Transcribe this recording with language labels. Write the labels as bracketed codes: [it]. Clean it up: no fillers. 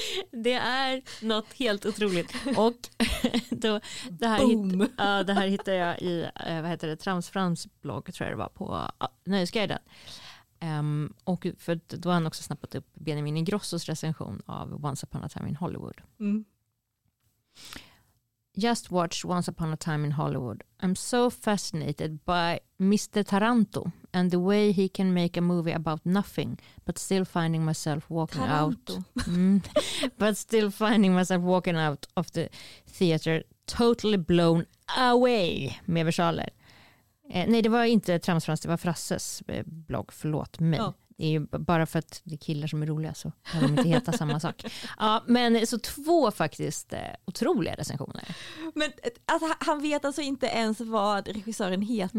[sv] Det är något helt otroligt. Och då, det här hittade jag i Transfrans blogg, tror jag det var, på Nöjesguiden. Och för då har han också snappat upp Benjamin Ingrossos recension av Once Upon a Time in Hollywood. [en] Just watched Once Upon a Time in Hollywood. I'm so fascinated by Mr. Taranto and the way he can make a movie about nothing but still finding myself walking Taranto. Out. But still finding myself walking out of the theater totally blown away. [sv] Med versaler. Nej, det var inte Transfrans, det var Frasses blogg, förlåt mig. Oh. Det är ju bara för att det är killar som är roliga så kan de inte heta samma sak. Ja, men så två faktiskt otroliga recensioner. Men alltså, han vet alltså inte ens vad regissören heter.